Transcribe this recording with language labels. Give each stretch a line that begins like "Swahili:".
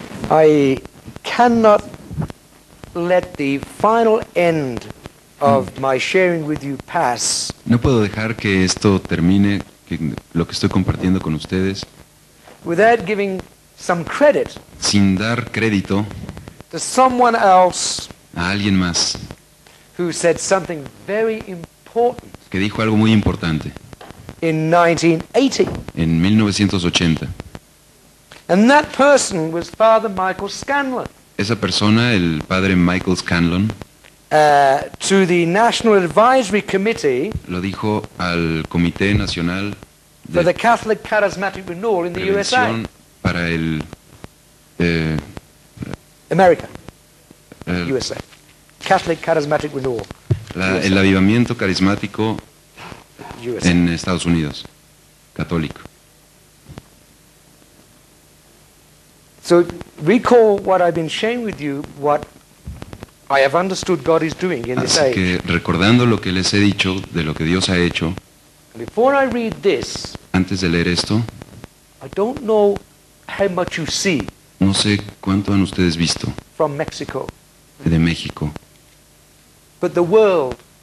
English: I cannot let the final end of my sharing with you pass.
Spanish: No puedo dejar que esto termine, que lo que estoy compartiendo con ustedes,
English: without giving some credit,
Spanish: sin dar crédito,
English: to someone else,
Spanish: a alguien más,
English: who said something very important,
Spanish: que dijo algo muy importante,
English: in 1980.
Spanish: En 1980.
English: And that person was Father Michael Scanlon.
Spanish: Esa persona, el padre Michael Scanlon,
English: To the National Advisory Committee,
Spanish: lo dijo al Comité Nacional de
English: for the Catholic Charismatic Renewal in the USA.
Spanish: Para el
English: America. USA. Catholic Charismatic Renewal.
Spanish: El avivamiento carismático USA. En Estados Unidos. Católico.
English: So recall what I've been sharing with you, what I have understood God is doing in this age.
Spanish: Así que recordando lo que les he dicho de lo que Dios ha hecho.
English: Before I read this,
Spanish: antes de leer esto,
English: I don't know how much you see.
Spanish: No sé cuánto han ustedes visto.
English: From Mexico.
Spanish: De México.
English: But the world